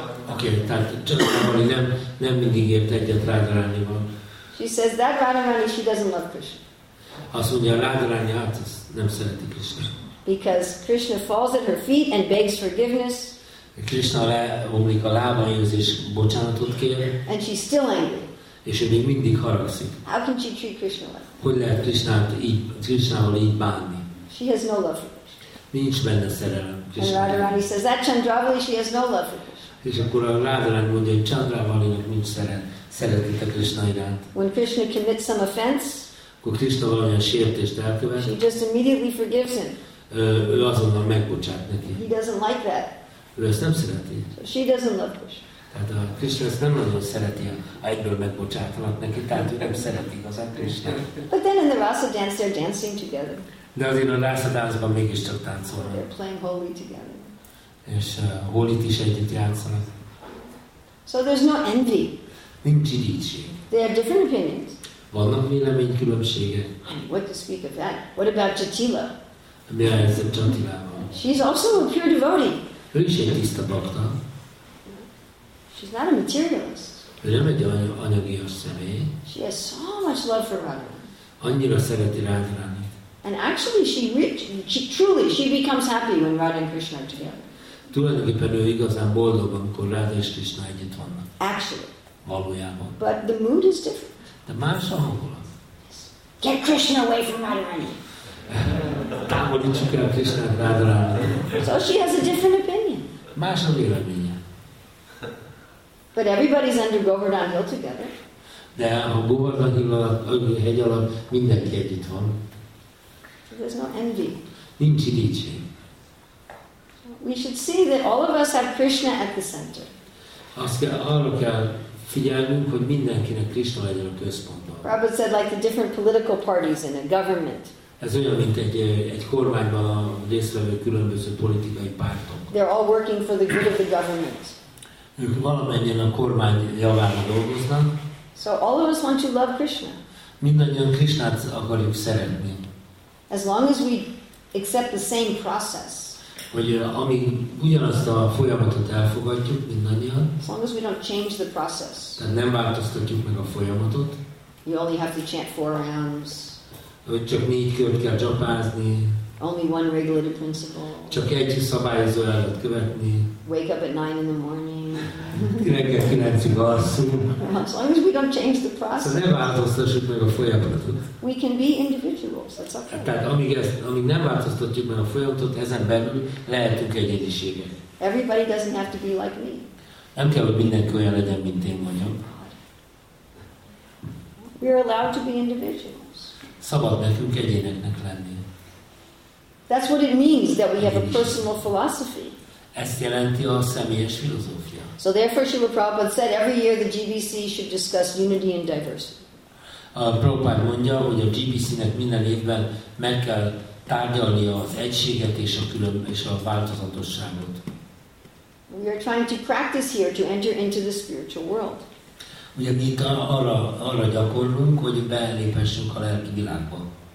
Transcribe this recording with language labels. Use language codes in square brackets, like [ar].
[hu] Oké, tehát Chandravali nem mindig ért egyet Radharanival. [en] She says that Radharani, she doesn't love Krishna. [hu] Azt mondja, Radharani, hát az nem szereti Krishna. [en] Because Krishna falls at her feet and begs forgiveness. [hu] Krishna leomlik a lábaihoz és bocsánatot kér. [en] And she's still angry. [hu] És ő még mindig haragszik. [en] How can she treat Krishna like that? [hu] Hogy lehet Krishnával így bánni? [en] She has no love for Krishna. [hu] Nincs benne szerelem. Krishna. [en] And Radharani says, that Chandravali, she has no love for Krishna. [hu] És akkor a Radharani mondja, hogy Chandravalinak nincs szeretete Krishna iránt. [en] When Krishna commits some offense, [hu] akkor Krishna valamilyen sértést elkövet, [en] she just immediately forgives him. [hu] Ő azonnal megbocsát neki. [en] He doesn't like that. [hu] Ő ezt nem szereti. [en] So she doesn't love Krishna. [hu] Tehát a Krishna ezt nem nagyon szereti, ha egyből megbocsátanak neki, tehát ő nem szereti igazán Krishna. [en] But then in the Rasa dance they're dancing together. [hu] De azért a Rasa dance-ban mégiscsak táncolnak. [en] They're playing holy together. [hu] És Holit is együtt játszanak. [en] So there's no envy. [hu] Nincs irítség. [en] They have different opinions. [hu] Vannak vélemény különbségek. [en] What to speak of that? What about Chatila? [hu] Mi a helyzet Chatilával? [en] She's also a pure devotee. [hu] Ő is egy tiszta bakta. [en] She's not a materialist. [hu] Ő nem egy anyagias személy. [en] She has so much love for Radha. [hu] Annyira szereti Radharani. [en] And actually she truly becomes happy when Radha and Krishna are together. [hu] Tulajdonképpen ő igazán boldog, amikor Radha és Krishna együtt vannak. [en] Actually. [hu] Valójában. [en] But the mood is different. [hu] De más a hangulat. [en] Get Krishna away from Radharani. [hu] Támogítsuk el Krishnát Radharani. [en] So she has a different opinion. [hu] Más a véleménye. [en] But everybody's under Govardhan Hill together. [hu] De a Govardhan Hill alatt, a hegy alatt mindenki együtt van. [en] There's no envy. [hu] Nincs irítség. [en] We should see that all of us have Krishna at the center. [hu] Azt kell, arra kell figyelnünk, hogy mindenkinek Krishna legyen a központban. [en] Prabhupada said like the different political parties in a government. [hu] Ez olyan, mint egy kormányban a részlevő különböző politikai pártok. [en] They're all working for the good of the government. [hu] Ők valamennyien a kormány javára dolgoznak. [en] So all of us want to love Krishna. [hu] Mindannyian Krishnát akarjuk szeretni. [en] As long as we accept the same process. [hu] Hogy ami ugyanazt a folyamatot elfogadjuk mindannyian. [en] As long as we don't change the process. [hu] Tehát nem változtatjuk meg a folyamatot. [en] You only have to chant four rounds. [hu] Hogy csak négy kört kell japázni. [en] Only one regulative principle. [hu] Csak egy szabályozó elvet követni. [en] Wake up at 9 in the morning. [hu] Reggel 9-ig alszunk. [en] As long as we don't change the process. [hu] Tehát nem változtassuk meg a folyamatot. [en] We can be individuals, that's okay. [hu] Tehát amíg nem változtatjuk meg a folyamatot, ezen belül lehetünk egyediségek. [en] Everybody doesn't have to be like me. [hu] Nem kell, hogy mindenki olyan legyen, mint én vagyok. [en] We are allowed to be individuals. [hu] Szabad nekünk egyéneknek lenni. [en] That's what it means that we have a personal philosophy. [hu] Ezt jelenti a személyes filozófia. [en] So therefore Srila Prabhupada said every year the GBC should discuss unity and diversity. [hu] A Prabhupada mondja, hogy a GBC-nek minden évben meg kell tárgyalni az egységet és a változatosságot. [en] We are trying to practice here to enter into the spiritual world. [hu] Ugye mi itt arra gyakorlunk, hogy beléphessünk a lelki világba.